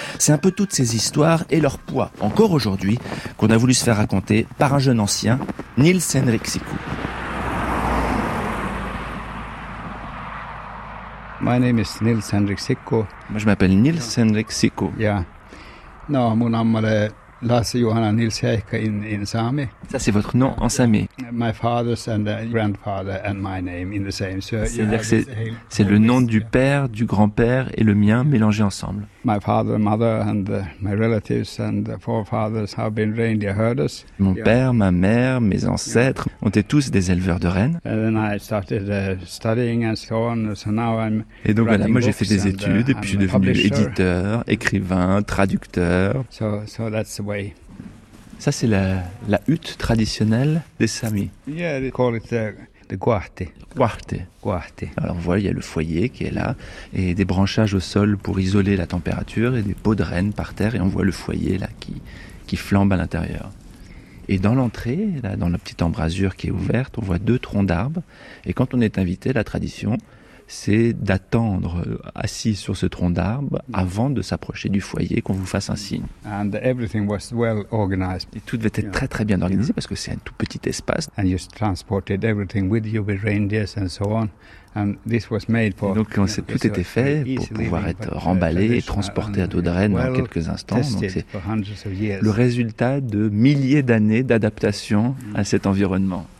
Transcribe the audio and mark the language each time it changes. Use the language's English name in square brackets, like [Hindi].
[French] C'est un peu toutes ces histoires et leur poids, encore aujourd'hui, qu'on a voulu se faire raconter par un jeune ancien, Nils Henrik Sikku. [English] My name is Nils Henrik Sikku. [French] Moi, je m'appelle Nils Henrik Sikku. [English] Yeah. [French] No, mon nom est Lasse Johanna Nils Heikka [English] in Sami. [French] Ça, c'est votre nom en Sami. [English] My father's and grandfather and my name in the same. So [French] c'est-à-dire que c'est le nom du père, du grand-père et le mien mélangés ensemble. [English] My father, mother and my relatives and the forefathers have been reindeer herders. [French] Mon père, ma mère, mes ancêtres ont été tous des éleveurs de rennes. [English] And then I started studying and so on. So now I'm. [French] Et donc voilà, moi j'ai fait des études et puis je suis devenu éditeur, écrivain, traducteur. [English] So that's the way. [French] Ça c'est la hutte traditionnelle des Samis. [English] Yeah, they call it the guahti. [Northern Sami] Guahti. Guahti. [French] Alors on voit, il y a le foyer qui est là et des branchages au sol pour isoler la température et des pots de rennes par terre et on voit le foyer là qui flambe à l'intérieur. Et dans l'entrée, là, dans la petite embrasure qui est ouverte, on voit deux troncs d'arbres. Et quand on est invité, la tradition, c'est d'attendre assis sur ce tronc d'arbre avant de s'approcher du foyer, qu'on vous fasse un signe. [English] And everything was well organized. [French] Et tout devait être très très bien organisé parce que c'est un tout petit espace. [English] And you transported everything with you, with reindeers and so on. And this was made for, [French] donc on sait, tout était fait pour pouvoir être remballé et transporté à dos de renne en quelques instants. Donc c'est le résultat de milliers d'années d'adaptation à cet environnement.